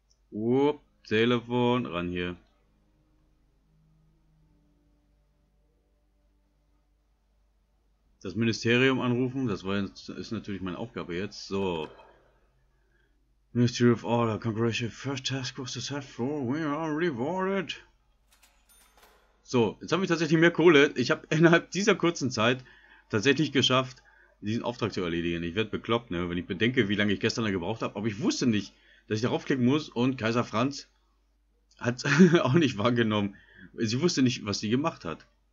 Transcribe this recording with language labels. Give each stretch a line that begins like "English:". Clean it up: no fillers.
German: Oh, Telefon, ran hier. Das Ministerium anrufen, das war jetzt, ist natürlich meine Aufgabe jetzt. So.
English: Ministry of Order, Congratulations, first task was successful, we are rewarded.
German: So, jetzt habe ich tatsächlich mehr Kohle. Ich habe innerhalb dieser kurzen Zeit tatsächlich geschafft, diesen Auftrag zu erledigen. Ich werde bekloppt, ne, wenn ich bedenke, wie lange ich gestern da gebraucht habe. Aber ich wusste nicht, dass ich darauf klicken muss. Und Kaiser Franz hat es auch nicht wahrgenommen. Sie wusste nicht, was sie gemacht hat.